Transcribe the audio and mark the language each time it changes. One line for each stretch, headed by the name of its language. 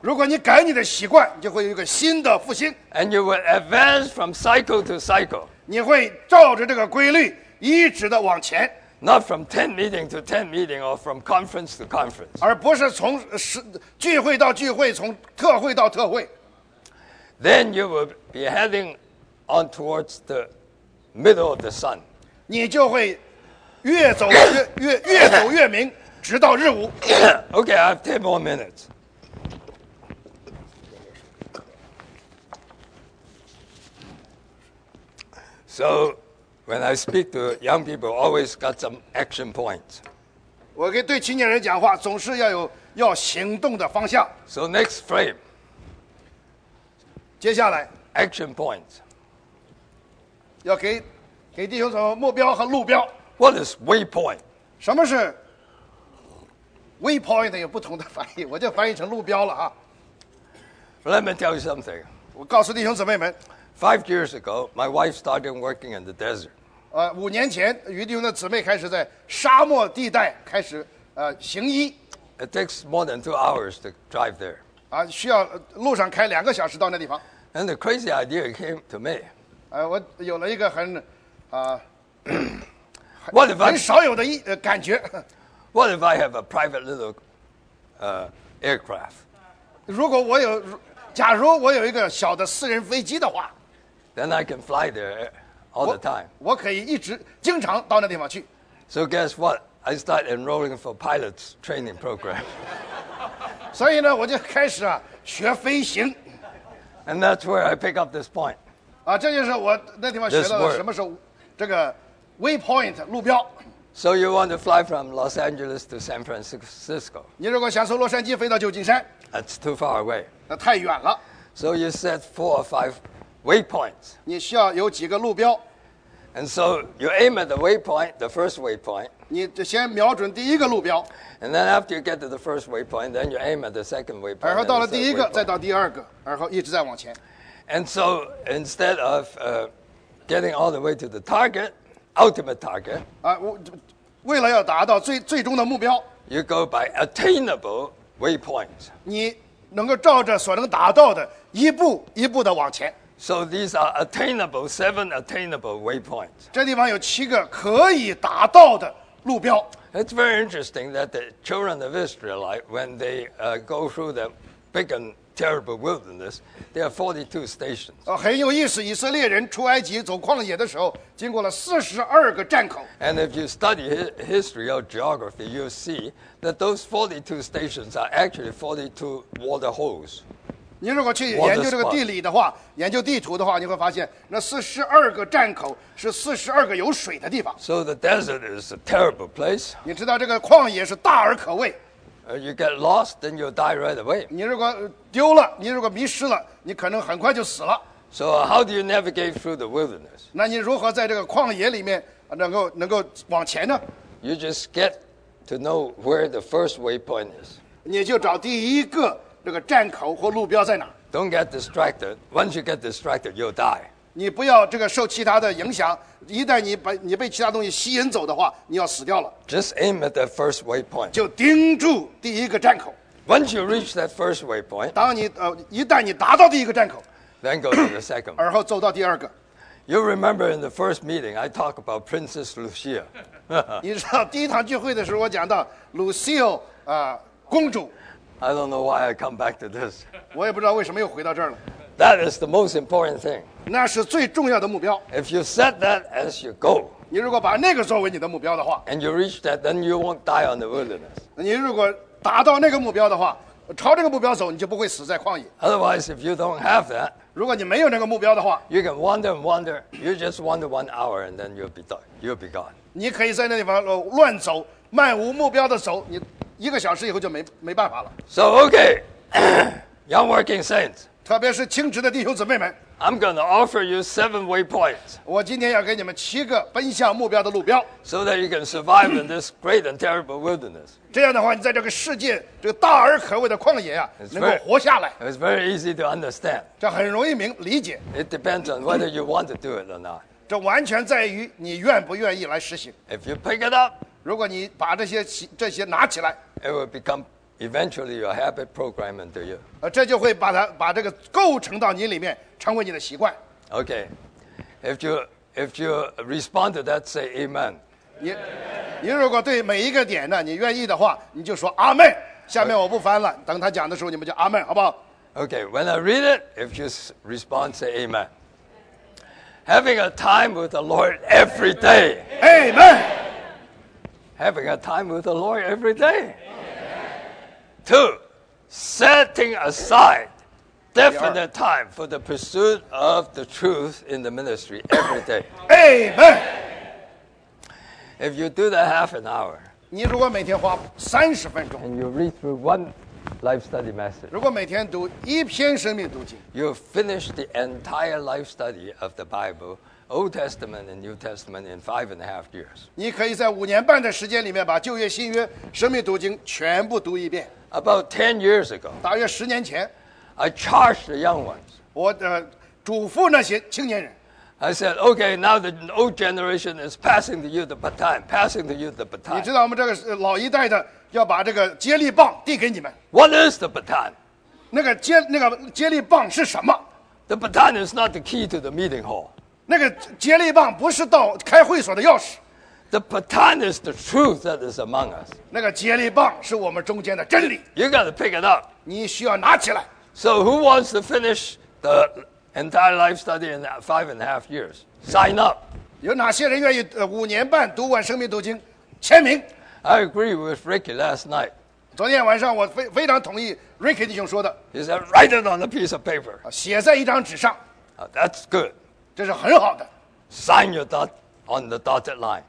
Chinese: 如果你改你的习惯，你就会有一个新的复兴。
English: And you will advance from cycle to cycle.
Chinese: 你会照着这个规律一直的往前。
English: Not from 10 meeting to 10 meeting or from conference to conference.
Chinese: 而不是从聚会到聚会，从特会到特会。
English: Then you will be heading on towards the middle of the sun.
Chinese: 你就会越走越明。直到日午。
English: Okay, I have 10 more minutes. So, when I speak to young people, always got some action points.
Chinese: 我跟对青年人讲话，总是要有要行动的方向。
English: So next frame.
Chinese: 接下来
English: action points.
Chinese: 要给弟兄什么目标和路标
English: ？What is waypoint?
Chinese: 什么是？Waypoint 有不同的翻译，我就翻译成路标了啊。
English: Let me tell you something.
Chinese: 我告诉弟兄姊妹们。
English: 5 years ago, my wife started working in the desert.
Chinese: 五年前，于弟兄的姊妹开始在沙漠地带开始行医。
English: It takes more than 2 hours to drive there.
Chinese: 需要路上开2小时到那地方。
English: And the crazy idea came to me.
Chinese: 我有了一个很
English: What if I...
Chinese: 很少有的感觉。
English: What if I have a private little aircraft?
Chinese: 假如我有一个小的私人飞机的话
English: ，then I can fly there all the time.
Chinese: 我可以一直经常到那地方去。
English: So guess what? I start enrolling for pilots training program.
Chinese: 所以呢，我就开始学飞行。
English: And that's where I pick up this point.
Chinese: 这就是我那地方学到的什么是这个 waypoint 路标。
English: So you want to fly from Los Angeles to San Francisco?
Chinese: 你如果想从洛杉矶飞到旧金山
English: ，That's too far away.
Chinese: 那太远了。
English: So you set 4 or 5 waypoints.
Chinese: 你需要有几个路标。
English: And so you aim at the waypoint, the first waypoint.
Chinese: 你先瞄准第一个路标。
English: And then after you get to the first waypoint, then you aim at the second waypoint.
Chinese: 然后到了第一个，再到第二个，然后一直在往前。
English: And so instead of getting all the way to the target, ultimate target.
Chinese: 啊，为了要达到最终的目标。
English: You go by attainable waypoints.
Chinese: 你能够照着所能达到的一步一步的往前。
English: So these are attainable, seven attainable waypoints.
Chinese: 这地方有七个可以达到的路标。
English: It's very interesting that the children of Israel, when they go through the big and terrible wilderness, there are 42 stations.
Chinese: 很有意思，以色列人出埃及走旷野的时候，经过了42个站口。
English: And if you study history or geography, you see that those 42 stations are actually 42 water holes.
Chinese: 你如果去研究这个地理的话，研究地图的话，你会发现那42个站口是42个有水的地方。
English: So the desert is a terrible place.
Chinese: 你知道这个旷野是大而可畏。
English: You get lost, then you die right away.
Chinese: 你如果丢了，你如果迷失了，你可能很快就死了。
English: So how do you navigate through the wilderness?
Chinese: 那你如何在这个旷野里面能够往前呢
English: ？You just get to know where the first waypoint is.
Chinese: 你就找第一个这个站口或路标在哪
English: ？Don't get distracted. Once you get distracted, you'll die.
Chinese: 你不要这个受其他的影响。一旦你被其他东西吸引走的话，你要死掉了。
English: Just aim at the first waypoint.
Chinese: 就盯住第一个站口。
English: Once you reach that first waypoint,
Chinese: 当你一旦你达到第一个站口
English: ，then go to the second.
Chinese: 而后走到第二个。
English: You remember in the first meeting, I talk about Princess Lucia.
Chinese: 你知道第一堂聚会的时候，我讲到 Lucille 公主。
English: I don't know why I come back to this.
Chinese: 我也不知道为什么又回到这儿了。
English: That is the most important thing.
Chinese: 那是最重要的目标。
English: If you set that as your goal,
Chinese: 你如果把那个作为你的目标的话
English: ，and you reach that, then you won't die on the wilderness.
Chinese: 你如果达到那个目标的话，朝这个目标走，你就不会死在旷野。
English: Otherwise, if you don't have that,
Chinese: 如果你没有那个目标的话
English: ，you can wander and wander. You just wander 1 hour, and then you'll be done. You'll be gone.
Chinese: 你可以在那地方乱走，漫无目标的走，你一个小时以后就没办法了。
English: So okay, young working saints.
Chinese: 特别是清职的弟兄姊妹们
English: ，I'm going to offer you 7 waypoints.
Chinese: 我今天要给你们七个奔向目标的路标
English: ，so that you can survive in this great and terrible wilderness.
Chinese: 这样的话，你在这个世界这个大而可畏的旷野啊，能够活下来。
English: It's very easy to understand.
Chinese: 这很容易明理解。
English: It depends on whether you want to do it or not.
Chinese: 这完全在于你愿不愿意来实行。
English: If you pick it up,
Chinese: 如果你把这些拿起来
English: ，it will become. Eventually, your habit program into you.
Chinese: 这就会把这个构成到你里面，成为你的习惯。
English: Okay, if you respond to that, say Amen.
Chinese: 你如果对每一个点呢，你愿意的话，你就说阿门。下面我不翻了， okay. 等他讲的时候，你们就阿门，好不好
English: ？Okay, when I read it, if you respond, say Amen. Having a time with the Lord every day. Amen. Having a time with the Lord every day. Two, setting aside definite time for the pursuit of the truth in the ministry every day. Amen. If you do that half an hour,
Chinese: 你如果每天花30分钟
English: and you read through one life study message,
Chinese: 如果每天读一篇生命读经
English: you finish the entire life study of the Bible, Old Testament and New Testament in 5.5 years.
Chinese: 你可以在5.5年的时间里面把旧约、新约、生命读经全部读一遍。
English: About 10 years ago,
Chinese: 大约10年前
English: I charged the young ones.
Chinese: 我嘱咐那些青年人
English: I said, "Okay, now the old generation is passing to you the baton, passing to you the baton."
Chinese: 你知道我们这个老一代的要把这个接力棒递给你们
English: What is the baton?
Chinese: 那个接力棒是什么
English: ？The baton is not the key to the meeting hall.
Chinese: 那个接力棒不是到开会所的钥匙。
English: The baton is the truth that is among us.
Chinese: 那个接力棒是我们中间的真理。
English: You got to pick it up.
Chinese: 你需要拿起来。
English: So who wants to finish the entire life study in 5.5 years? Sign up.
Chinese: 有哪些人愿意5.5年读完生命读经？签名。
English: I agree with Ricky last night.
Chinese: 昨天晚上我非常同意 Ricky 弟兄说的。
English: He said, "Write it on a piece of paper."
Chinese: 写在一张纸上。
English: That's good.
Chinese: 这是很好的。
English: Sign your dot. On the dotted line,